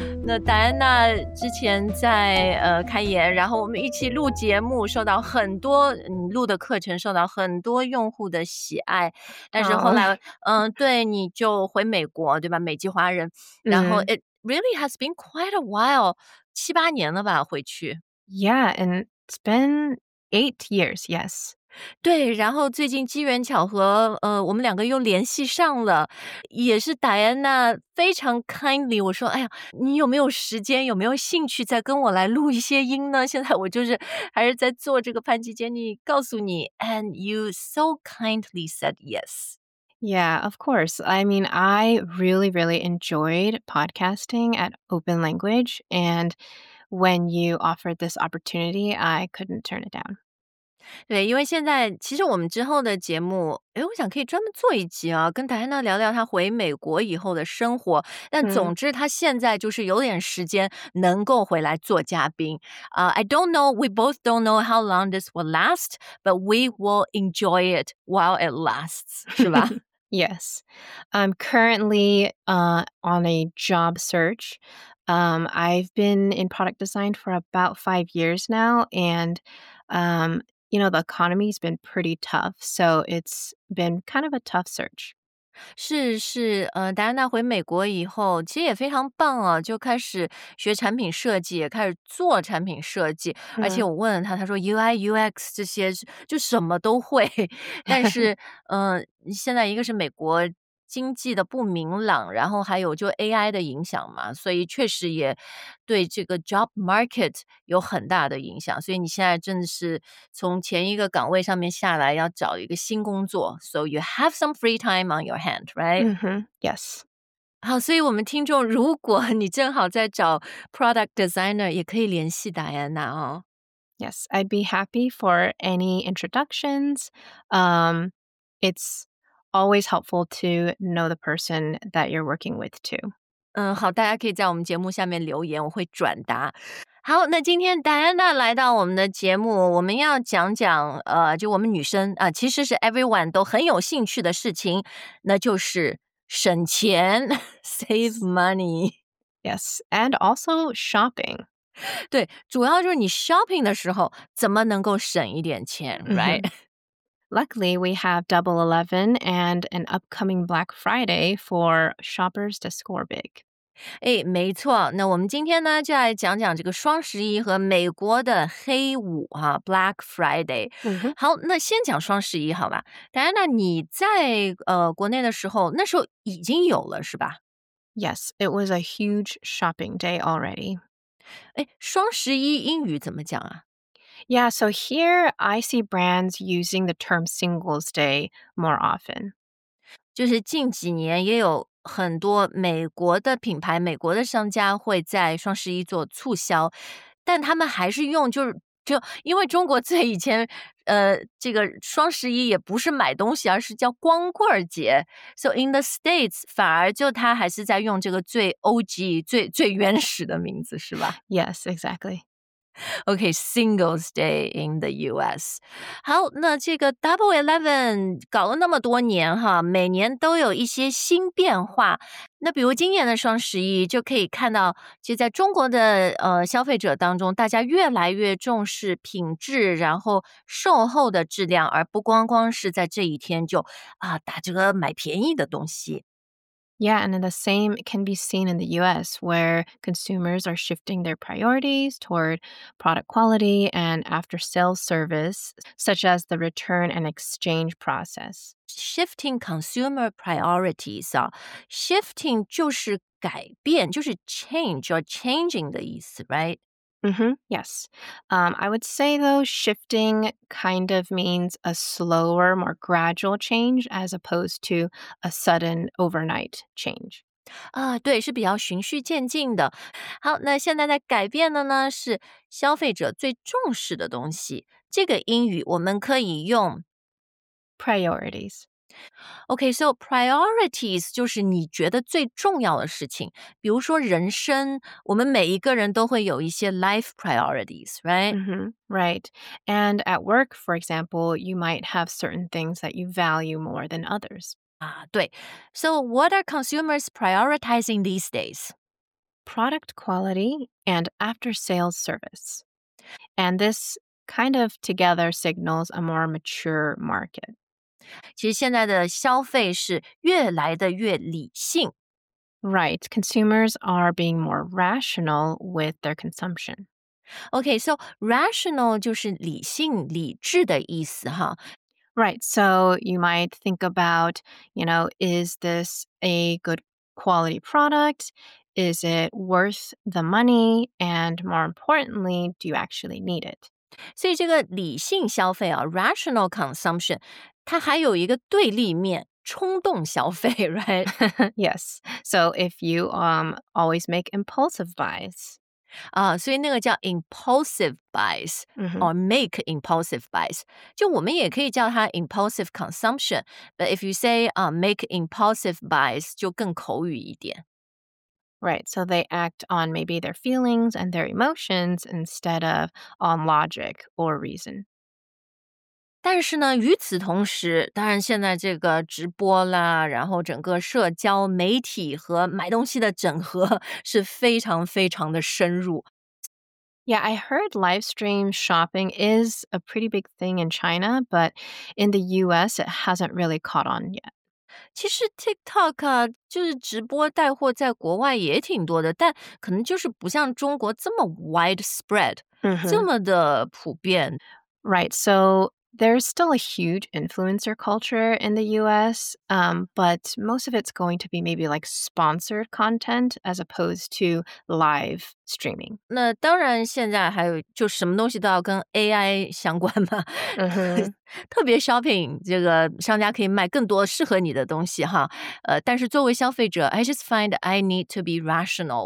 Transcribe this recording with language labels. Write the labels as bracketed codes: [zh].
[zh] 那戴安娜之前在开研，然后我们一起录节目，受到很多录的课程受到很多用户的喜爱，但是后来对你就回美国对吧？美籍华人，然后、 [en] It really has been quite a while， [zh] 七八年了吧回去 [en] ？Yeah， and it's been 8 years， yes。 [zh] 对，然后最近机缘巧合，我们两个又联系上了，也是戴安娜非常 kindly， 我说，哎呀，你有没有时间，有没有兴趣再跟我来录一些音呢？现在我就是还是在做这个潘吉杰尼告诉你 ， [en] and you so kindly said yes. Yeah, of course. I mean, I really, really enjoyed podcasting at Open Language, and when you offered this opportunity, I couldn't turn it down. [zh] 对，因为现在其实我们之后的节目，哎，我想可以专门做一集啊，跟戴安娜聊聊她回美国以后的生活。但总之，她现在就是有点时间能够回来做嘉宾。 [en] I don't know, we both don't know how long this will last, but we will enjoy it while it lasts, [zh] 是吧 [en] ？Yes, I'm currently on a job search. I've been in product design for about 5 years now, and you know, the economy's been pretty tough, so it's been kind of a tough search. [zh] 是，戴安娜回美国以后，其实也非常棒啊，就开始学产品设计，也开始做产品设计。而且我问了她，她说 UI、UX 这些就什么都会。但是，现在一个是美国经济的不明朗，然后还有就 AI 的影响嘛，所以确实也对这个 job market 有很大的影响，所以你现在正是从前一个岗位上面下来要找一个新工作， [en] so you have some free time on your hand, right? Yes. [zh] 好，所以我们听众如果你正好在找 product designer 也可以联系戴安娜哦。 [en] Yes, I'd be happy for any introductions. It'salways helpful to know the person that you're working with too. [zh] 好，大家可以在我们节目下面留言，我会转达。好，那今天戴安娜来到我们的节目，我们要讲讲就我们女生啊，其实是 everyone 都很有兴趣的事情，那就是省钱 ， [en] save money. Yes, and also shopping. [zh] 对，主要就是你 shopping 的时候怎么能够省一点钱 ，right? [en] Luckily, we have Double 11 and an upcoming Black Friday for shoppers to score big. [zh] 哎，没错。那我们今天呢，就来讲讲这个双十一和美国的黑五啊 ，Black Friday。 Mm-hmm. 好，那先讲双十一好吧。戴安娜，你在国内的时候，那时候已经有了是吧 [en] ？Yes, it was a huge shopping day already. [zh] 哎，双十一英语怎么讲啊？ [en] Yeah, so here I see brands using the term Singles Day more often. [zh] 就是近几年也有很多美国的品牌、美国的商家会在双十一做促销，但他们还是用就因为中国最以前这个双十一也不是买东西，而是叫光棍节。 [en] So in the States, [zh] 反而就他还是在用这个最 OG、最原始的名字，是吧 [en] ？Yes, exactly. Okay, Singles Day in the U.S. [zh] 好，那这个 Double 11搞了那么多年哈，每年都有一些新变化。那比如今年的双十一，就可以看到，其实在中国的消费者当中，大家越来越重视品质，然后售后的质量，而不光光是在这一天就打折买便宜的东西。 [en] Yeah, and the same can be seen in the U.S., where consumers are shifting their priorities toward product quality and after-sales service, such as the return and exchange process. Shifting consumer priorities, shifting [zh] 就是改变，就是 [en] change or changing 的意思 right? Mm-hmm, yes. I would say, though, shifting kind of means a slower, more gradual change as opposed to a sudden overnight change. [zh] 啊，对，是比较循序渐进的。好，那现在在改变的呢，是消费者最重视的东西。这个英语我们可以用 [en] priorities。 [zh] Okay, so priorities 就是你觉得最重要的事情。比如说人生，我们每一个人都会有一些 [en] life priorities, right? Mm-hmm, right. And at work, for example, you might have certain things that you value more than others. [zh] 啊，对。 [en] So what are consumers prioritizing these days? Product quality and after-sales service. And this kind of together signals a more mature market. [zh] 其实现在的消费是越来的越理性。 [en] Right, consumers are being more rational with their consumption. [zh] Okay, so rational 就是理性、理智的意思哈。 [en] Right, so you might think about, you know, is this a good quality product? Is it worth the money? And more importantly, do you actually need it? [zh] 所以这个理性消费啊 ,rational consumption,它还有一个对立面，冲动消费 ，right? [en] Yes. So if you always make impulsive buys, [zh] 啊，所以那个叫 [en] impulsive buys、mm-hmm. or make impulsive buys. [zh] 就我们也可以叫它 impulsive consumption. [en] But if you say make impulsive buys, [zh] 就更口语一点。 [en] Right. So they act on maybe their feelings and their emotions instead of on logic or reason. [zh] 但是呢，与此同时，当然现在这个直播啦，然后整个社交媒体和买东西的整合是非常非常的深入。 [en] Yeah, I heard live stream shopping is a pretty big thing in China, but in the US, it hasn't really caught on yet. [zh] 其实 TikTok 啊，就是直播带货在国外也挺多的，但可能就是不像中国这么 widespread,、mm-hmm. 这么的普遍。 [en] Right, so... There's still a huge influencer culture in the US, but most of it's going to be maybe like sponsored content as opposed to live streaming. [zh] 那当然现在还有就什么东西都要跟 AI 相关嘛。特别 shopping, 这个商家可以卖更多适合你的东西哈。但是作为消费者 [en] I just find I need to be rational.